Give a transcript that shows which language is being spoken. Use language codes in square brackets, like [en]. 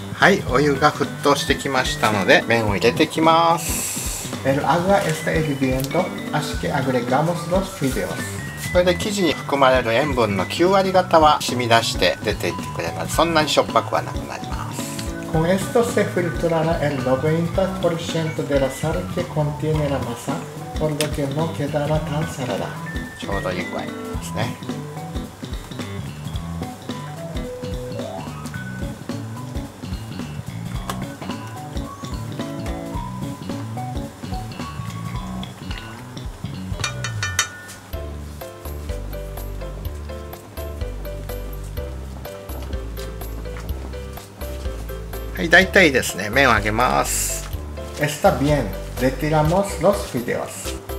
[ja] はい、お湯が沸騰してきましたので麺を入れてきます。エルアグアエスタエビビエンドアシケアグレガモスドスフィデオス、これで生地に含まれる塩分の9割方は染み出して出ていってくれます。そんなにしょっぱくはなくなります。 [es] Con esto se filtrará el 90% de la sal que contiene la masa, por lo que no quedará tan salada. [ja] ちょうどいい具合になりますね。はい、大体ですね、麺をあげます。 [es] Está bien, retiramos los fideos。